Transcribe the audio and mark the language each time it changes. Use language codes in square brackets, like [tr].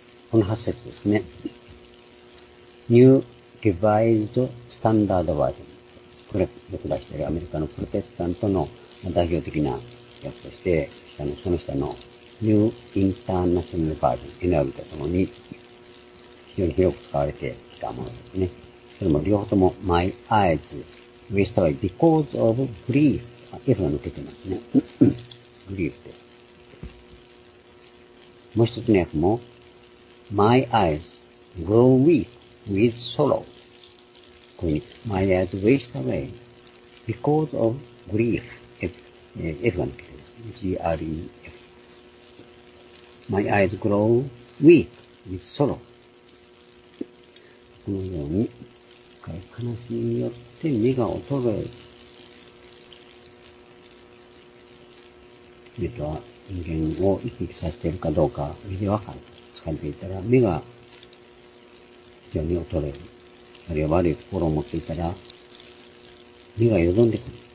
[ja] この8節ですね。New Revised Standard Version。これ、僕が出しているアメリカのプロテスタントの代表的な訳として、その下の New International Version、NIV とともに、非常に広く使われてきたものですね。それも両方とも [en] My Eyes Wasted Away Because of Grief。 [ja] F が抜けてますね。Grief です。もう一つの訳も、 [en] My eyes grow weak with sorrow. My eyes waste away because of grief. [ja] F が抜けてます。G-R-E-F です。 [en] My eyes grow weak with sorrow. [ja] このように、悲しみによって目が衰える。目とは人間を生き生きさせているかどうか、目でわかる。感じていたら目が非常に衰える、あるいは悪い心を持っていたら目が淀んでくる。